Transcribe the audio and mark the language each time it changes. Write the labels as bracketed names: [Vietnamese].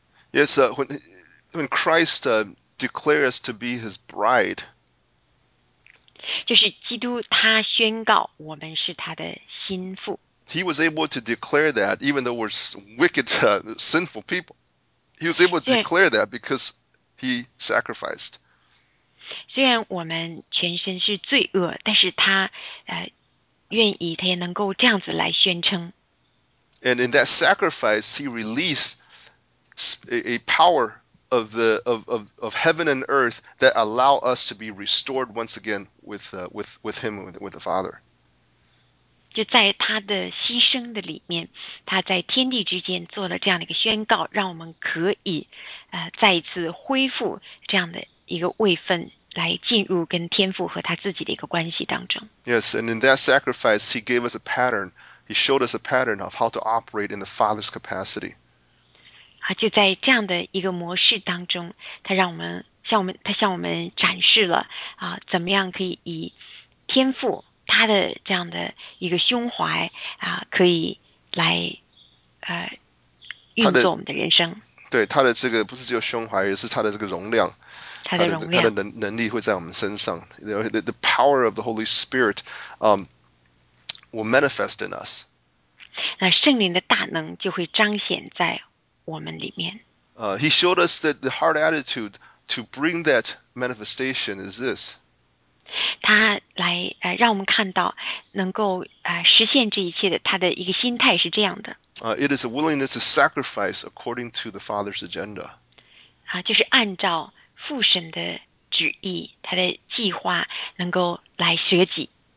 [English] Yes, when Christ declares to be His bride. [Chinese] 就是基督他宣告我们是他的心腹。 [English] He was able to declare that even though we're wicked, sinful people. He was able to declare that because He sacrificed. [Chinese] 虽然我们全身是罪恶，但是他愿意，他也能够这样子来宣称。 [English] And in that sacrifice, He released a power of heaven and earth that allow us to be restored once again with Him, with the Father. [Chinese] 就在他的牺牲的里面，他在天地之间做了这样的一个宣告，让我们可以再一次恢复这样的一个位分，来进入跟天父和他自己的一个关系当中。 [English] Yes, and in that sacrifice, He gave us a pattern. He showed us a pattern of how to operate in the Father's capacity. [Chinese] 就在这样的一个模式当中，他向我们展示了怎么样可以以天父他的这样的一个胸怀可以来运作我们的人生。对，他的这个不是只有胸怀，也是他的这个容量。他的能力会在我们身上 [English] the power of the Holy Spirit will manifest in us. [Chinese] 那圣灵的大能就会彰显在我们里面。 [English] He showed us that the heart attitude to bring that manifestation is this. [Chinese] 他来让我们看到能够实现这一切的他的一个心态是这样的。 [English] It is a willingness to sacrifice according to the Father's agenda. [Chinese] 就是按照父神的旨意，他的计划能够来舍己。